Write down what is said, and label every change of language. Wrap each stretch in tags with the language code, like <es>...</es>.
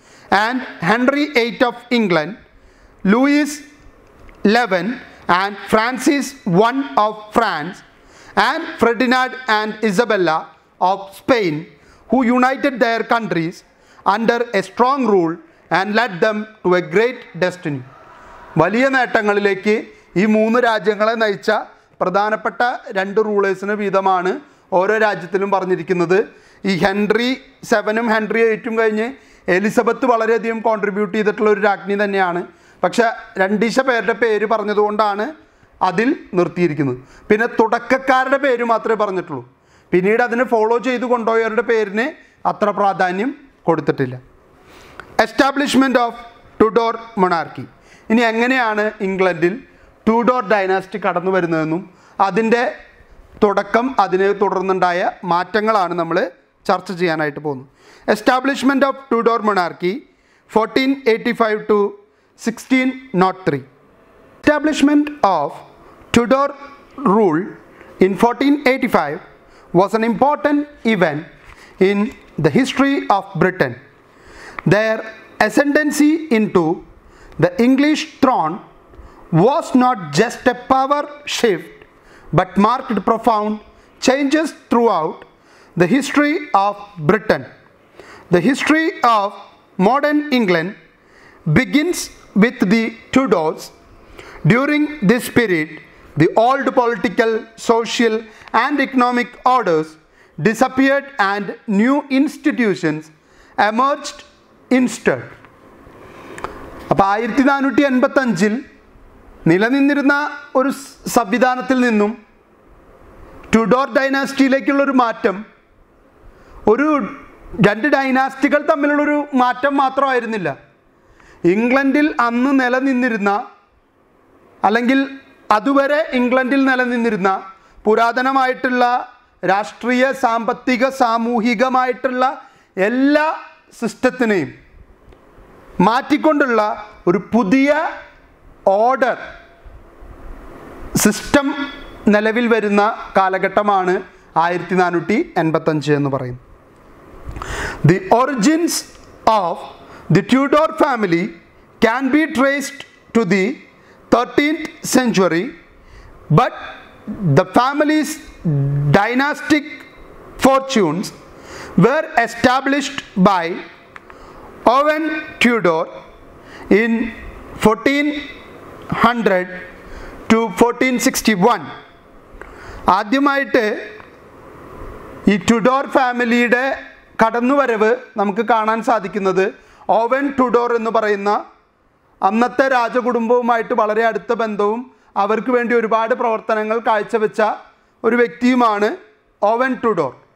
<en>And Henry VIII of England, Louis XI and Francis I of France, and Ferdinand and Isabella of Spain, who united their countries under a strong rule and led them to a great destiny.</en> <ml>വലിയ നേട്ടങ്ങളിലേക്ക് ഈ മൂന്ന് രാജ്യങ്ങളെ നയിച്ച പ്രധാനപ്പെട്ട രണ്ട് റൂളേഴ്സിന് വീതമാണ് ഓരോ രാജ്യത്തിലും പറഞ്ഞിരിക്കുന്നത്. ഈ ഹെൻറി സെവനും ഹെൻറി എയ്റ്റും കഴിഞ്ഞ് എലിസബത്ത് വളരെയധികം കോൺട്രിബ്യൂട്ട് ചെയ്തിട്ടുള്ള ഒരു രാജ്ഞി തന്നെയാണ്. പക്ഷെ രണ്ടീശ പേരുടെ പേര് പറഞ്ഞതുകൊണ്ടാണ് അതിൽ നിർത്തിയിരിക്കുന്നത്. പിന്നെ തുടക്കക്കാരുടെ പേര് മാത്രമേ പറഞ്ഞിട്ടുള്ളൂ, പിന്നീട് അതിനെ ഫോളോ ചെയ്ത് കൊണ്ടുപോയവരുടെ പേരിന് അത്ര പ്രാധാന്യം കൊടുത്തിട്ടില്ല.</ml> <en>Establishment of Tudor monarchy.</en> <ml>ഇനി എങ്ങനെയാണ് ഇംഗ്ലണ്ടിൽ ടുഡോർ ഡൈനാസ്റ്റി കടന്നു വരുന്നതെന്നും അതിൻ്റെ തുടക്കം അതിനെ തുടർന്നുണ്ടായ മാറ്റങ്ങളാണ് നമ്മൾ ചർച്ച ചെയ്യാനായിട്ട് പോകുന്നത്.</ml> <en>Establishment of Tudor monarchy 1485 to 1603. Establishment of Tudor rule in 1485 was an important event in the history of Britain. Their ascendancy into the English throne was not just a power shift, but marked profound changes throughout the history of Britain. The history of modern England begins with the Tudors. During this period, the old political, social, and economic orders disappeared and new institutions emerged instead.</en> <ml>അപ്പോൾ 1485 നിലനിന്നിരുന്ന ഒരു സംവിധാനത്തിൽ നിന്നും two door ഡൈനാസ്റ്റിയിലേക്കുള്ളൊരു മാറ്റം, ഒരു രണ്ട് ഡൈനാസ്റ്റികൾ തമ്മിലുള്ളൊരു മാറ്റം മാത്രമായിരുന്നില്ല, ഇംഗ്ലണ്ടിൽ അന്ന് നിലനിന്നിരുന്ന അല്ലെങ്കിൽ അതുവരെ ഇംഗ്ലണ്ടിൽ നിലനിന്നിരുന്ന പുരാതനമായിട്ടുള്ള രാഷ്ട്രീയ സാമ്പത്തിക സാമൂഹികമായിട്ടുള്ള എല്ലാ സിസ്റ്റത്തിനെയും മാറ്റിക്കൊണ്ടുള്ള ഒരു പുതിയ ഓർഡർ സിസ്റ്റം നിലവിൽ വരുന്ന കാലഘട്ടമാണ് 1485 എന്ന് പറയുന്നത്.</ml> <en>The origins of the Tudor family can be traced to the 13th century, but the family's dynastic fortunes were established by Owen Tudor in 1400 to 1461.</en> <ml>ആദ്യമായിട്ട് ഈ ടുഡോർ ഫാമിലിയുടെ കടന്നുവരവ് നമുക്ക് കാണാൻ സാധിക്കുന്നത് ഓവൻ ടുഡോർ എന്ന് പറയുന്ന അന്നത്തെ രാജകുടുംബവുമായിട്ട് വളരെ അടുത്ത ബന്ധവും അവർക്ക് വേണ്ടി ഒരുപാട് പ്രവർത്തനങ്ങൾ കാഴ്ചവെച്ച ഒരു വ്യക്തിയുമാണ് ഓവൻ ടുഡോർ.</ml>